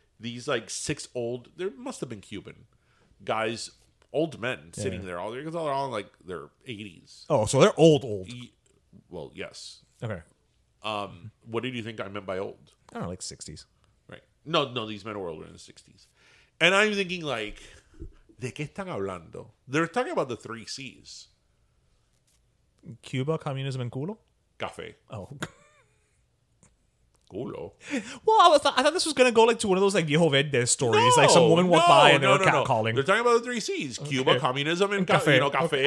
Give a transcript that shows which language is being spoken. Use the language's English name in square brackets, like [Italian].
[English] These like six old, there must have been Cuban guys, old men sitting there all there because they're all in like their 80s. Oh, so they're old. Well, yes. Okay. What did you think I meant by old? I don't know, like 60s. Right. No, these men were older in the 60s. And I'm thinking like, [Spanish] ¿de qué están hablando? [English] They're talking about the three C's. Cuba, communism, and culo? Café. Oh, culo. Well, I thought this was going to go like to one of those like [Spanish] viejo verde [English] stories. No, like some woman walked by and they were catcalling. They're talking about the three C's. Cuba, communism, and café. You know, café.